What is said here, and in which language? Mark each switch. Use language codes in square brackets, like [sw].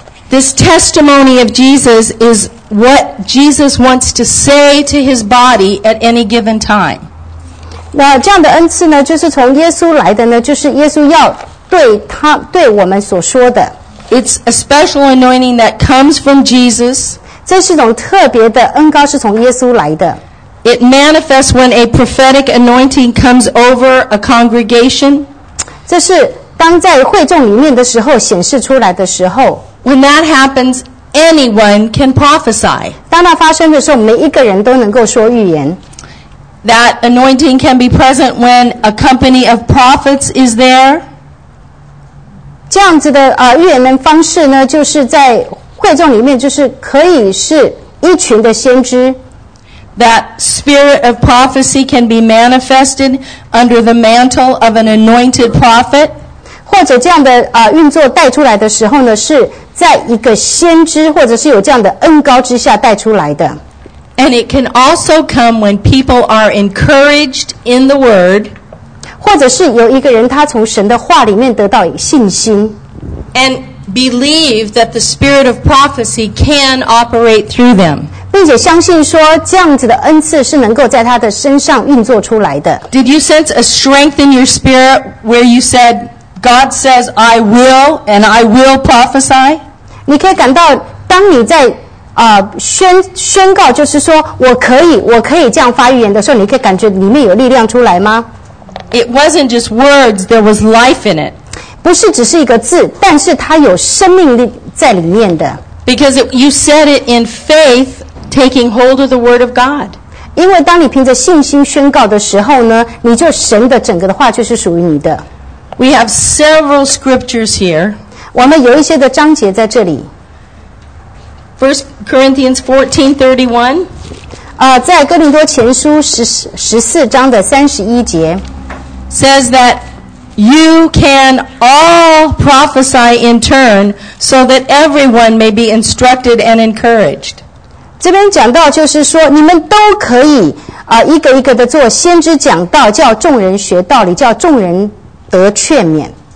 [en] This testimony of Jesus is what Jesus wants to say to his body at any given time. [zh] 那这样的恩赐呢，就是从耶稣来的呢，就是耶稣要对他对我们所说的。 [en] It's a special anointing that comes from Jesus. [zh] 这是一种特别的恩膏，是从耶稣来的。 [en] It manifests when a prophetic anointing comes over a congregation. [zh] 这是当在会众里面的时候显示出来的时候。 [en] When that happens, anyone can prophesy. [zh] 当那发生的时候，每一个人都能够说预言。 [en] That anointing can be present when a company of prophets is there. [zh] 这样子的预言的方式呢，就是在会众里面，就是可以是一群的先知。 [en] That spirit of prophecy can be manifested under the mantle of an anointed prophet. [zh] 或者这样的运作带出来的时候呢，是在一个先知或者是有这样的恩膏之下带出来的。 [en] And it can also come when people are encouraged in the word, [zh] 或者是有一个人他从神的话里面得到信心 [en] and believe that the spirit of prophecy can operate through them, [zh] 并且相信说这样子的恩赐是能够在他的身上运作出来的 [en] Did you sense a strength in your spirit where you said, God says, I will, and I will prophesy? [zh] 你可以感到当你在宣告就是说我可以这样发预言的时候你可以感觉里面有力量出来吗 [en] It wasn't just words, there was life in it. [zh] 不是只是一个字但是它有生命力在里面的 [en] Because you said it in faith, taking hold of the word of God. [zh] 因为当你凭着信心宣告的时候呢你就神的整个的话就是属于你的 [en] We have several scriptures here. [zh] 我们有一些的章节在这里 [en] First Corinthians 14:31. [zh] 在哥林多前书14章的31节 [en] says that you can all prophesy in turn, so that everyone may be instructed and encouraged. [zh] 这边讲到就是说，你们都可以一个一个的做先知讲道，叫众人学道理，叫众人得劝勉。